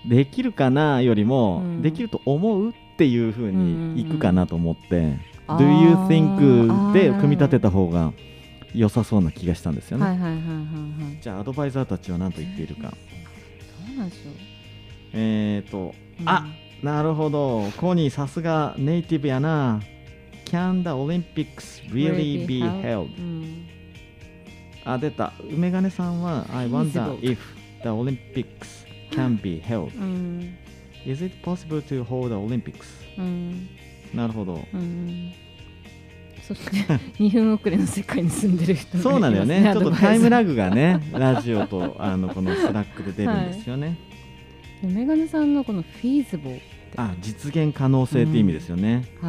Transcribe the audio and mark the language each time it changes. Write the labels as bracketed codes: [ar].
[ja] できるかなよりも、うん、できると思うっていう風にいくかなと思って、うんうん、Do you think で組み立てた方が良さそうな気がしたんですよね。はいはいはいはい、はい、じゃあアドバイザーたちは何と言っているか。どうなんでしょう。うん、あ、なるほど。コニーさすがネイティブやな。 [en] Can the Olympics really be held?、 [ja] うん、あ、出た。 [en] 梅金さんは I wonder if the Olympics can be held.、 [ja] うん、 [en] Is it possible to hold the Olympics?、 [ja] うん、なるほど。うん、そして2分遅れの世界に住んでる人そうなんだよね。ちょっとタイムラグがねラジオとあのこのスラックで出るんですよね。はい、メガネさんのこの feasible って、あ、実現可能性って意味ですよね、うん、